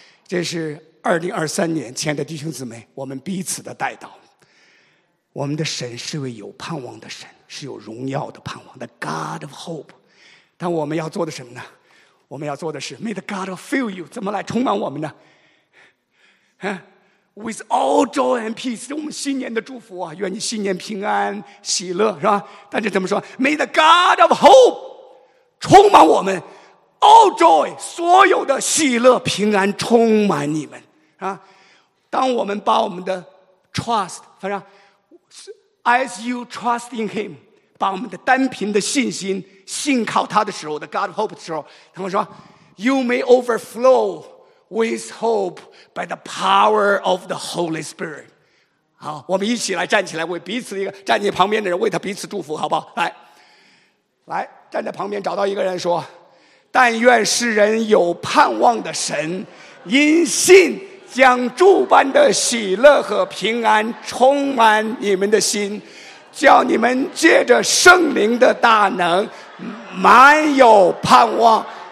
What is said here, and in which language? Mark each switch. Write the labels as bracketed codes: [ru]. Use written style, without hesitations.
[zh] 这是2023年，亲爱的弟兄姊妹，我们彼此的代祷。我们的神是位有盼望的神，是有荣耀的盼望的 [en] God of hope。 [zh] 但我们要做的什么呢？我们要做的是 [en] May the God of fill you [zh] 怎么来充满我们呢？ [en] With all joy and peace， [zh] 是我们新年的祝福啊！愿你新年平安喜乐，是吧？但是怎么说 [en] May the God of hope [zh] 充满我们， [en] All joy， [zh] 所有的喜乐平安充满你们啊！当我们把我们的 [en] trust， [zh] 反正 [en] As you trust in him， [zh] 把我们的单凭的信心信靠他的时候， [en] the God of hope [zh] 的时候，他们说 [en] You may overflowWith hope by the power of the Holy Spirit。 [zh] 好，我们一起来站起来，为彼此一个，站你旁边的人，为他彼此祝福，好不好？来来，站在旁边找到一个人说，但愿世人有盼望的神，因信将诸般的喜乐和平安充满你们的心，叫你们借着圣灵的大能满有盼望。